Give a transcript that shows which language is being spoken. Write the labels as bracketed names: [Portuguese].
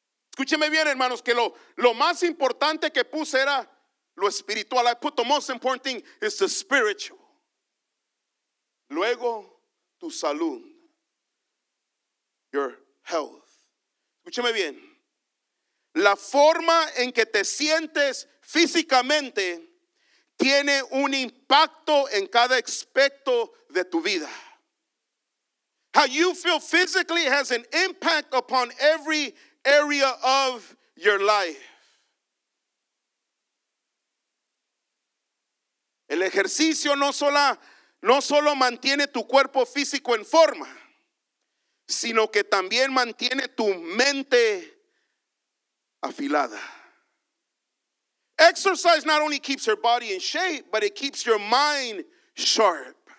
[Spanish] Escúcheme bien, hermanos, que lo más importante que puse era lo espiritual. [English] I put the most important thing is the spiritual. [Spanish] Luego, tu salud. [English] Your health. [Spanish] Escúcheme bien. La forma en que te sientes físicamente tiene un impacto en cada aspecto de tu vida. [English] How you feel physically has an impact upon every area of your life. [Spanish] El ejercicio no solo mantiene tu cuerpo físico en forma, sino que también mantiene tu mente afilada. [English] Exercise not only keeps your body in shape, but it keeps your mind sharp.